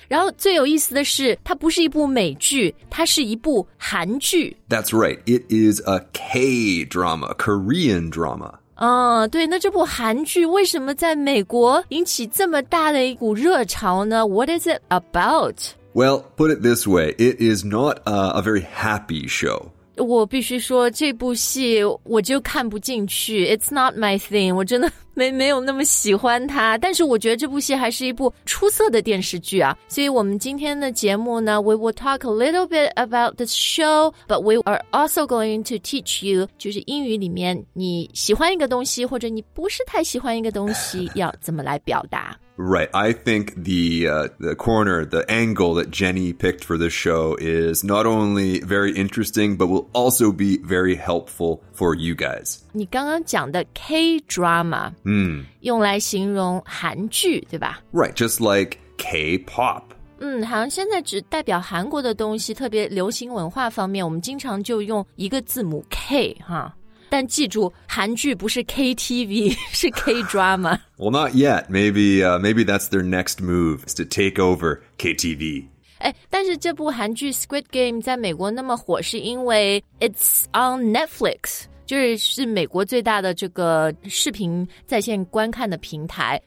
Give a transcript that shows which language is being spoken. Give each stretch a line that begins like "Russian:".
Chinese: 然后最有意思的是它不是一部美剧，它是一部韩剧。
English: That's right, it is a K-drama, Korean drama.
Chinese: 对，那这部韩剧为什么在美国引起这么大的一股热潮呢？
English: What is it about? Well, put it this way, it is not a very happy show.
Chinese: 我必须说这部戏我就看不进去
English: It's not my thing
Chinese: 我真的没有那么喜欢它但是我觉得这部戏还是一部出色的电视剧啊所以我们今天的节目呢
English: We will talk a little bit about this show But we are also going to teach you
Chinese: 就是英语里面你喜欢一个东西或者你不是太喜欢一个东西要怎么来表达
English: Right, I think the corner, the angle that Jenny picked for this show is not only very interesting, but will also be very helpful for you guys.
Chinese: 你刚刚讲的 K-drama, 用来形容韩剧,对吧?
English: Right, just like K-pop.
Chinese: 好像现在只代表韩国的东西,特别流行文化方面,我们经常就用一个字母 K, 哈。但记住，韩剧不是 KTV， 是 K-drama。
English: Well, not yet. Maybe that's their next move, is to take over KTV.
Chinese: 但是这部韩剧 Squid Game 在美国那么火，是因为
English: it's on Netflix，
Chinese: 就是美国最大的这个视频在线观看的平台。